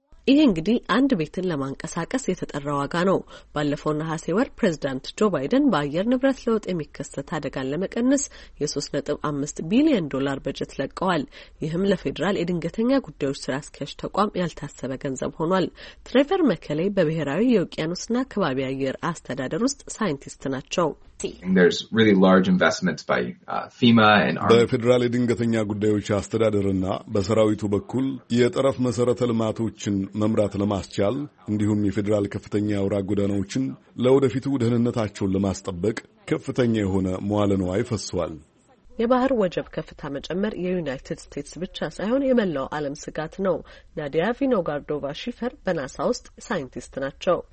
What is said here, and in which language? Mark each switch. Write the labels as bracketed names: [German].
[Amharic] ይሄ እንግዲህ አንድ ቤትን ለማንቀሳቀስ የተጠራ ዋጋ ነው። ባለፈው ነሐሴ ወር ፕሬዝዳንት ጆ ባይደን በአየር ንብረት ለውጥ የሚከሰት አደጋን ለመቀነስ የ3.5 ቢሊዮን ዶላር በጀት ለቀዋል። ይህም ለፌዴራል የድንገተኛ ጉዳዮች ስራ አስኪያጅ ተቋም ያልታሰበ ገንዘብ ሆኗል። ትሬቨር መከሌ በብሔራዊ የውቅያኖስና ከባቢ አየር አስተዳደር ውስጥ ሳይንቲስት ናቸው። [English] There's really large investments by FEMA and Army. [Amharic] በፌደራል የድንገተኛ ጉዳዮች አስተዳደርና በሰራዊቱ በኩል የጠረፍ መሰረተ ልማቶችን መምራት ለማስቻል እንዲሁም የፌደራል ከፍተኛ አውራ ጎዳናዎችን ለወደፊቱ ደህንነታቸውን ለማስጠበቅ ከፍተኛ የሆነ መዋለ ንዋይ ፈሷል። የባህር ወጀብ ከፍታ መጨመር የዩናይትድ ስቴትስ ብቻ ሳይሆን የመላው ዓለም ስጋት ነው። ናዲያ ቪኖጋርዶቫ ሺፈር በናሳ ውስጥ ሳይንቲስት ናቸው።